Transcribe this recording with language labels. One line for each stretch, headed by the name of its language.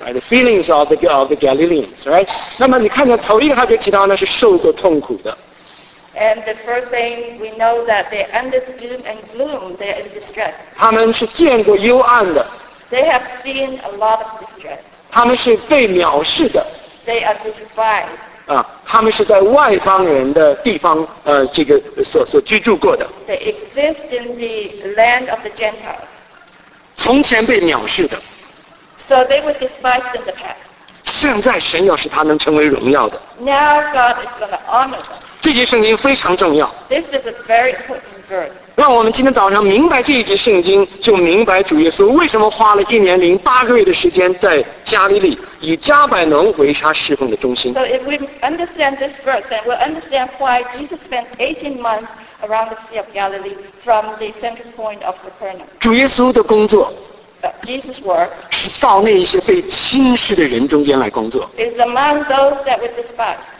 English: Right, the feelings of the Galileans, right?
Chinese: 那么你看到头一个他就提到呢是受过痛苦的。
English: And the first thing we know that they're under doom and gloom, they're in distress.
Chinese: 他们是见过幽暗的。
English: They have seen a lot of distress.
Chinese: 他们是被藐视的。
English: They are despised.
Chinese: 他们是在外邦人的地方这个所居住过的。
English: They exist in the land of the Gentiles.
Chinese: 从前被藐视的。
English: So they were despised in the past.
Chinese: 现在神要使他能成为荣耀的。
English: Now God is going to honor them.
Chinese: 这节圣经非常重要。
English: This is a very important verse.
Chinese: 让我们今天早上明白这一节圣经，就明白主耶稣为什么花了1年零8个月的时间在加利利，以加百农为他侍奉的中心。
English: So if we understand this verse, then we'll understand why Jesus spent 18 months around the Sea of Galilee from the central point of Capernaum.
Chinese: 主耶稣的工作
English: Jesus' work
Chinese: 是到那一些被轻视的人中间来工作。
English: Is among those that were despised.